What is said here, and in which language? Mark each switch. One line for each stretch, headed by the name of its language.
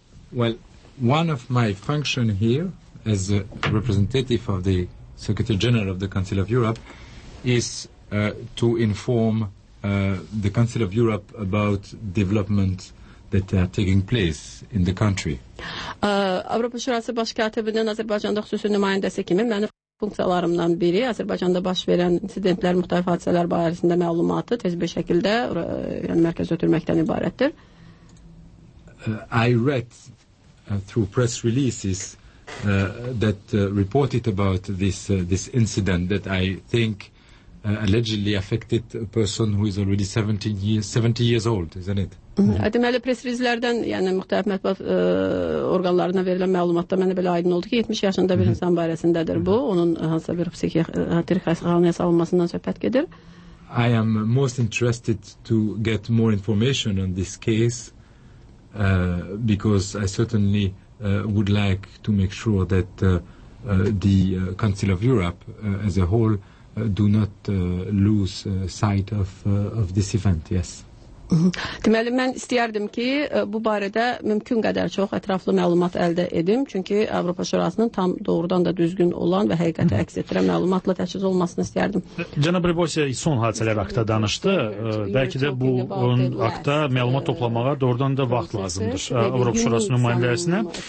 English: Well, one of my function here as a representative of the Secretary General of the Council of Europe is to inform the Council of Europe about development that are taking place in the country.
Azerbaijani: Avropa Şurası baş katibinin Azərbaycanda xüsusi nümayəndəsi kimi mənim funksiyalarımdan biri Azərbaycanda baş verən insidentlər, müxtəlif hadisələr barəsində məlumatı tez bir şəkildə yəni mərkəz ötürməkdən ibarətdir.
English: I read through press releases that reported about this this incident that I think allegedly affected a person who is already 70 years old, isn't it?
Azerbaijani: Deməli, press releaselərdən, yəni müxtəlif mətbuat orqanlarına verilən məlumatda mənə belə aydın oldu ki, 70 yaşında bir insan barəsindədir bu. Onun hansısa bir psixiatrik xəstəxanaya salınmasından söhbət gedir.
English: I am most interested to get more information on this case because I certainly would like to make sure that the Council of Europe as a whole do not lose sight of this event, yes.
Azerbaijani: Deməli, mən istəyərdim ki, bu barədə mümkün qədər çox ətraflı məlumat əldə edim, çünki Avropa Şurasının tam doğrudan da düzgün olan və həqiqəti əks etdirən məlumatla təchiz olmasını istəyərdim. Cənab Rebosiya son hadisələr haqqında danışdı. Bəlkə də bu haqqda məlumat toplamağa doğrudan da vaxt lazımdır Avropa Şurasının nümayəndəsinə.